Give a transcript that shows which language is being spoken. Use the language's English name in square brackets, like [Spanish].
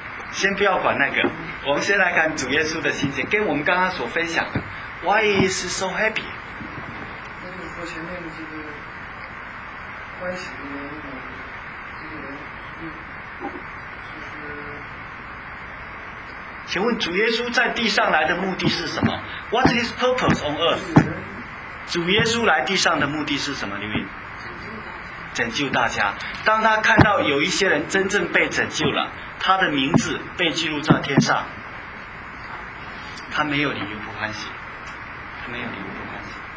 [Chinese] 先不要管那个，我们先来看主耶稣的心情，跟我们刚刚所分享的 [English] Why is he so happy？ [Chinese] 那就是说前面的这个欢喜的原因，这个人就很欢喜，请问主耶稣在地上来的目的是什么？ [English] What's his purpose on earth？ [Chinese] 主耶稣来地上的目的是什么？刘云，拯救大家。当他看到有一些人真正被拯救了，他的名字被记录在天上，他没有理由不欢喜，他没有理由不欢喜。